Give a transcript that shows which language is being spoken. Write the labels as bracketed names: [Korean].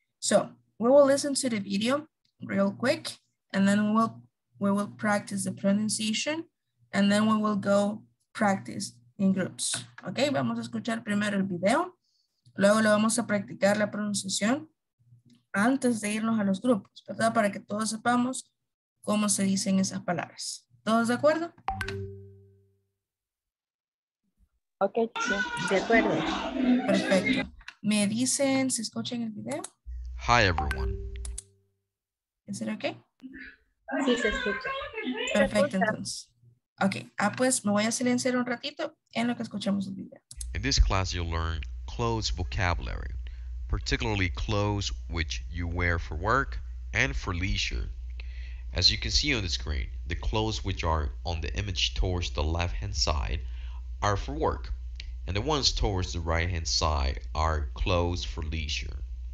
[English] So, we will listen to the video real quick and then we will practice the pronunciation and then we will go practice in groups. [Spanish] Ok, vamos a escuchar primero el video, luego le vamos a practicar la pronunciación antes de irnos a los grupos, ¿verdad? Para que todos sepamos cómo se dicen esas palabras. ¿Todos de acuerdo? Ok, sí, de acuerdo. Perfecto. ¿Me dicen si escuchan el video? [English] Hi, everyone. [Spanish] ¿Es eso ok? Sí, se escucha. Perfecto, entonces. Okay, pues me voy a silenciar un ratito en lo que escuchamos el video. [English] In this class, you'll learn clothes vocabulary, particularly clothes which you wear for work and for leisure. As you can see on the screen, the clothes which are on the image towards the left-hand side are for work, and the ones towards the right-hand side are clothes for leisure.